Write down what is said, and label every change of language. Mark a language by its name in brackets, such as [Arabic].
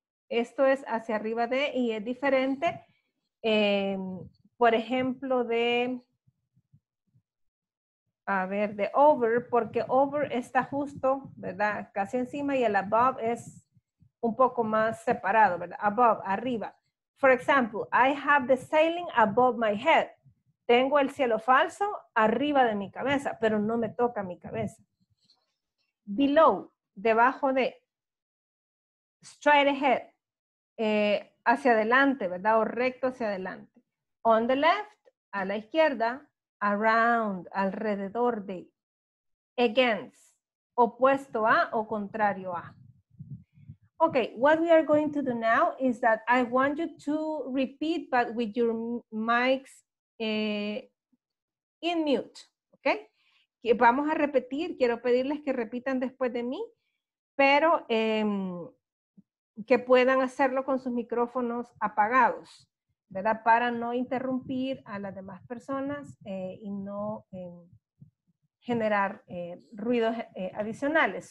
[Spanish] Esto es hacia arriba de y es diferente. Por ejemplo, de over, porque over está justo, ¿verdad? Casi encima y el above es un poco más separado, ¿verdad? Above, arriba. [English] For example, I have the ceiling above my head. [Spanish] Tengo el cielo falso arriba de mi cabeza, pero no me toca mi cabeza. Below, debajo de. [English] Straight ahead, [Spanish] hacia adelante, ¿verdad? O recto hacia adelante. [English] On the left, [Spanish] a la izquierda, around, alrededor de, against, opuesto a o contrario a. [English] Okay, what we are going to do now is that I want you to repeat, but with your mics in mute, okay? [Spanish] Que vamos a repetir, quiero pedirles que repitan después de mí, pero que puedan hacerlo con sus micrófonos apagados, ¿verdad? Para no interrumpir a las demás personas y no generar ruidos adicionales.